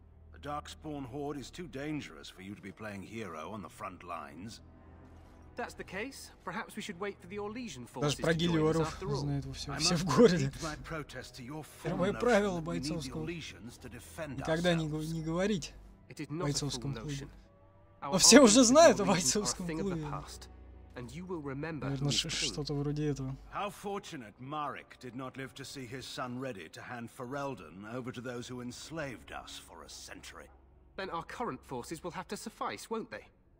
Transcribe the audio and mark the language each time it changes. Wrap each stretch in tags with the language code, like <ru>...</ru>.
<en>The Darkspawn Horde is too dangerous for you to be playing hero on the front lines. That's the case. Perhaps we should wait for the Orlesian forces.</en> <ru>Даже про гильдиоров знают во всем, все в городе. Первое правило бойцовского. Никогда не говорить о бойцовском клубе. Но все уже знают о бойцовском клубе.</ru> <en>And you will remember.</en> <ru>Наверное, что-то вроде этого.</ru> <en>How fortunate Marek did not live to see his son ready to hand Ferelden over to those who enslaved us for a century. Then our current forces will have to suffice, won't they?</en>